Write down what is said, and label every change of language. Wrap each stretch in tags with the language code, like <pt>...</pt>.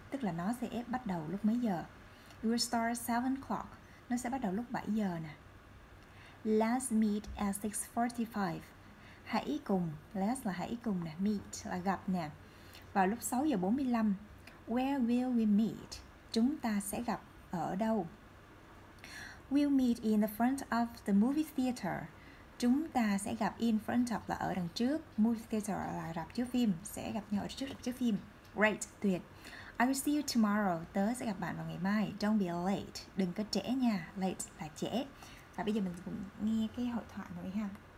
<vi>Tức là nó sẽ bắt đầu lúc mấy giờ.</vi> <en>It will start at 7 o'clock.</en> <vi>Nó sẽ bắt đầu lúc 7 giờ nè.</vi> <en>Let's meet at 6:45.</en> <vi>Hãy cùng, let's là hãy cùng nè, meet là gặp nè, vào lúc 6:45.</vi> <en>Where will we meet?</en> <vi>Chúng ta sẽ gặp ở đâu?</vi> <en>We'll meet in the front of the movie theater.</en> <vi>Chúng ta sẽ gặp</vi> <en>in front of</en> <vi>là ở đằng trước. Movie theater là rạp chiếu phim. Sẽ gặp nhau ở trước rạp chiếu phim. Great, tuyệt.</vi> <en>I will see you tomorrow.</en> <vi>Tớ sẽ gặp bạn vào ngày mai.</vi> <en>Don't be late.</en> <vi>Đừng có trễ nha. Late là trễ. Và bây giờ mình cũng nghe cái hội thoại này ha.</vi>